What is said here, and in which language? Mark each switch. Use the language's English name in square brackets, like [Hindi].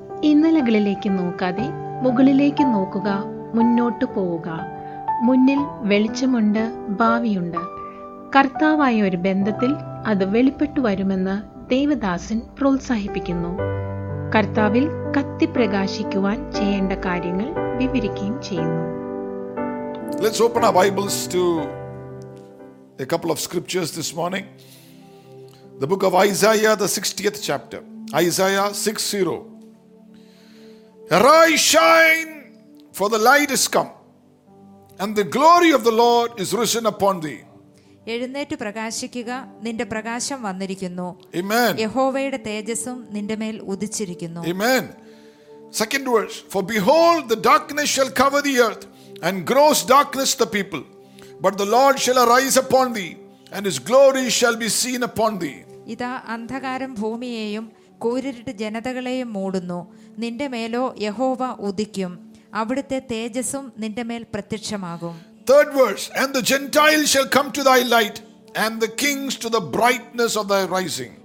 [Malayalam] ഇന്നലകളിലേക്ക് നോക്കാതെ മുകളിലേക്ക് നോക്കുക, മുന്നോട്ട് പോവുക. മുന്നിൽ വെളിച്ചമുണ്ട്, ഭാവിയുണ്ട്. കർത്താവായ ഒരു ബന്ധത്തിൽ അത് വെളിപ്പെട്ടു വരുമെന്ന് ദേവദാസൻ പ്രോത്സാഹിപ്പിക്കുന്നു. കർത്താവിൽ കത്തിപ്രകാശിക്കുവാൻ ചെയ്യേണ്ട കാര്യങ്ങൾ വിവരിക്കുകയും ചെയ്യുന്നു. [English] Let's open our Bibles to a couple of scriptures this morning. The book of Isaiah, the 60th chapter. Isaiah 6:0. Arise, shine, for the light is come, and the glory of the Lord is risen upon thee. [Malayalam] എഴുന്നേറ്റ് പ്രകാശിക്കുക, നിന്റെ പ്രകാശം വന്നിരിക്കുന്നു. ആമേൻ. യഹോവയുടെ തേജസ്സും നിന്റെ മേൽ ഉദിച്ചിരിക്കുന്നു. ആമേൻ. [English] Second verse, for behold, the darkness shall cover the earth, and gross darkness the people, but the Lord shall arise upon thee, and his glory shall be seen upon thee. [Malayalam] ഇതാ, അന്ധകാരം ഭൂമിയെയും കൂരിട്ട് ജനതകളെയും മൂടുന്നു, നിന്റെ മേലോ യഹോവ ഉദിക്കും, അവിടുത്തെ തേജസ്സും നിന്റെ മേൽ പ്രത്യക്ഷമാകും. [English] Third verse, and the Gentiles shall come to thy light, and the kings to the brightness of thy rising.